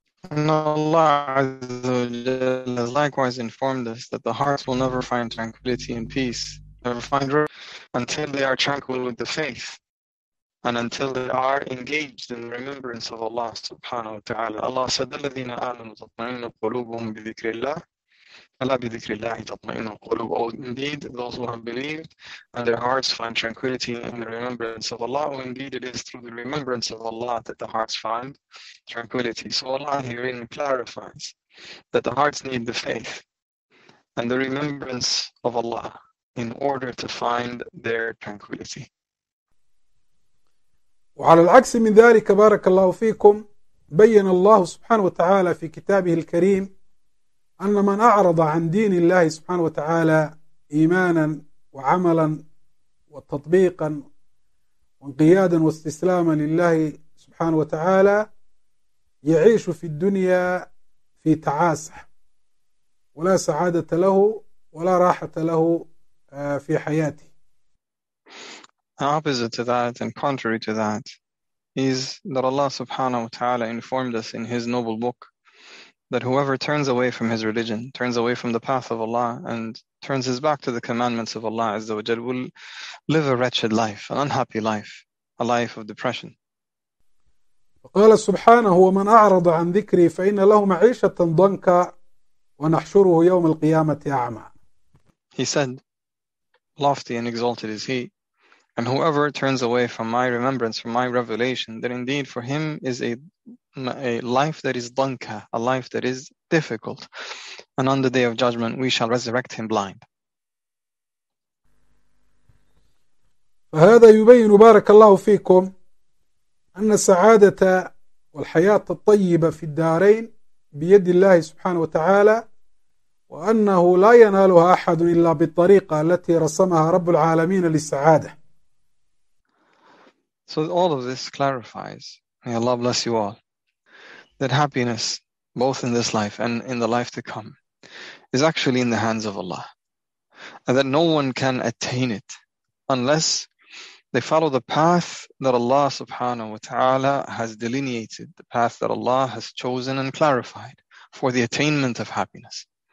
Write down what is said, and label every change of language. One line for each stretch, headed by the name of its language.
English: And Allah has likewise informed us that the hearts will never find tranquility and peace, never find rest, until they are tranquil with the faith, and until they are engaged in the remembrance of Allah
Arabic: subhanahu wa ta'ala.
English: Allah said,
Arabic: الَّذِينَ آمَنُوا تَطْمَئِنُوا قُلُوبُهُمْ بِذِكْرِ اللَّهِ أَلَا بِذِكْرِ اللَّهِ تَطْمَئِنُوا قُلُوبُهُمْ.
English: Oh, indeed, those who have believed and their hearts find tranquility in the remembrance of Allah. Oh, indeed, it is through the remembrance of Allah that the hearts find tranquility. So Allah herein clarifies that the hearts need the faith and the remembrance of Allah in order to find their tranquility.
Arabic: وعلى العكس من ذلك بارك الله فيكم، بيّن الله سبحانه وتعالى في كتابه الكريم أن من أعرض عن دين الله سبحانه وتعالى إيمانا وعملا وتطبيقا وانقيادا واستسلاما لله سبحانه وتعالى يعيش في الدنيا في تعاسة، ولا سعادة له ولا راحة له في حياته.
English: Opposite to that and contrary to that is that Allah
Arabic: subhanahu wa ta'ala
English: informed us in His noble book that whoever turns away from his religion, turns away from the path of Allah, and turns his back to the commandments of Allah
Arabic: Azza wa Jal,
English: will live a wretched life, an unhappy life, a life of depression.
Arabic: وقال سبحانه: ومن أعرض عن ذكري فإن له معيشة ضنكا ونحشره يوم القيامة أعمى.
English: He said, lofty and exalted is he, and whoever turns away from my remembrance, from my revelation, then indeed for him is a life that is dunka, a life that is difficult. And on the day of judgment, we shall resurrect him blind.
Arabic: فهذا يبين بارك الله فيكم أن السعادة والحياة الطيبة في الدارين بيد الله سبحانه وتعالى، وأنه لا ينالها أحد إلا بالطريقة التي رسمها رب العالمين للسعادة.
English: So all of this clarifies, may Allah bless you all, that happiness, both in this life and in the life to come, is actually in the hands of Allah. And that no one can attain it unless they follow the path that Allah
Arabic: subhanahu wa ta'ala
English: has delineated, the path that Allah has chosen and clarified for the attainment of happiness.